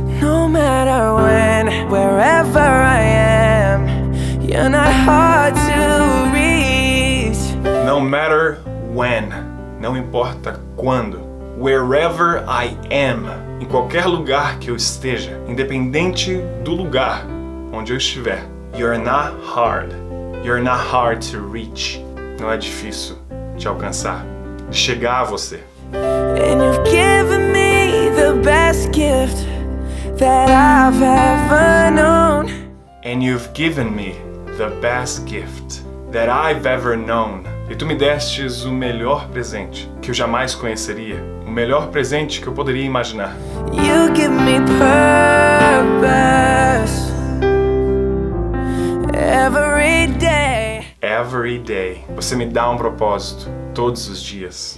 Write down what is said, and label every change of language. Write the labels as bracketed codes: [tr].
[en] No matter when, wherever I am, you're not hard to reach. No matter when, [pt] não importa quando. [en] Wherever I am, [pt] em qualquer lugar que eu esteja, independente do lugar onde eu estiver. [en] You're not hard to reach. [pt] Não é difícil te alcançar, de chegar a você. [en] And you've given me the best gift that I've ever known. And you've given me the best gift that I've ever known. [pt] E tu me destes o melhor presente que eu jamais conheceria. O melhor presente que eu poderia imaginar. [en] You give me purpose every day. Every day. [pt] Você me dá um propósito todos os dias.